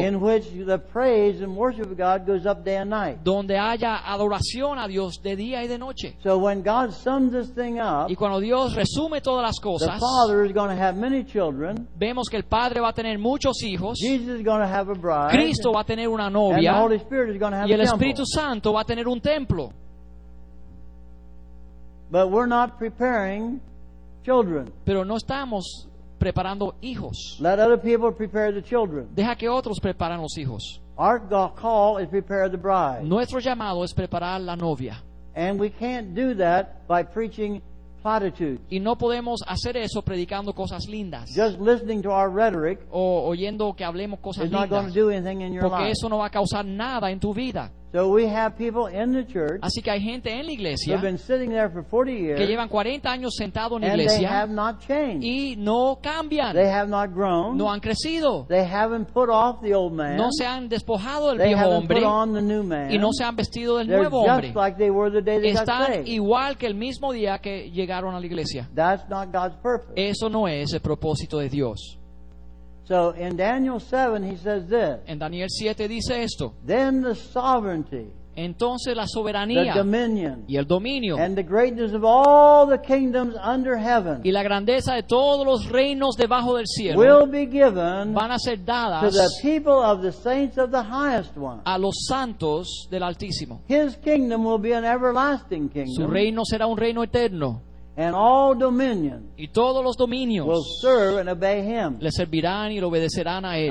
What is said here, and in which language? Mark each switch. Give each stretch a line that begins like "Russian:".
English: In which the praise and worship of God goes up day and night.
Spanish: Donde haya adoración a Dios de día y de noche.
English: So when God sums this thing up,
Spanish: y cuando Dios resume todas las cosas,
English: the Father is going to have many children.
Spanish: Vemos que el Padre va a tener muchos hijos.
English: Jesus is going to have a bride.
Spanish: Cristo va a tener una novia.
English: And the Holy Spirit is going to have a temple.
Spanish: Y el Espíritu Santo va a tener un templo.
English: But we're not preparing children.
Spanish: Pero no estamos preparando hijos.
English: Let other people prepare the children.
Spanish: Deja que otros preparen los hijos.
English: Our call is prepare the bride.
Spanish: Nuestro llamado es preparar la novia.
English: And we can't do that by preaching platitudes.
Spanish: Y no podemos hacer eso predicando cosas lindas.
English: Just listening to our rhetoric
Spanish: o oyendo que hablemos cosas
English: is
Spanish: lindas.
English: Not going to do anything in your
Spanish: porque
English: life.
Spanish: Eso no va a causar nada en tu vida.
English: So we have people in the church.
Spanish: Así que hay gente en la iglesia.
English: Who have been sitting there for 40 years.
Spanish: Que llevan 40 años sentado en la iglesia.
English: And they have not changed.
Spanish: Y no cambian.
English: They have not grown.
Spanish: No han crecido.
English: They haven't put off the old man.
Spanish: No se han despojado del
English: they
Spanish: viejo hombre.
English: They haven't put on the new man.
Spanish: Y no se han vestido del
English: they're
Spanish: nuevo hombre.
English: They're just like they were the day they
Spanish: están
English: got saved.
Spanish: Están igual que el mismo día que llegaron a la iglesia.
English: That's not God's purpose.
Spanish: Eso no es el propósito de Dios.
English: So in Daniel 7 he says this.
Spanish: En Daniel 7 dice esto.
English: Then the sovereignty.
Spanish: Entonces la soberanía.
English: The dominion.
Spanish: Y el dominio.
English: And the greatness of all the kingdoms under heaven.
Spanish: Y la grandeza de todos los reinos debajo del cielo.
English: Will be given.
Spanish: Van a ser dadas.
English: To the people of the saints of the highest one.
Spanish: A los santos del Altísimo.
English: His kingdom will be an everlasting kingdom.
Spanish: Su reino será un reino eterno.
English: And all dominions
Spanish: y todos los dominios
English: will serve and obey him.
Spanish: Le servirán y le obedecerán a él.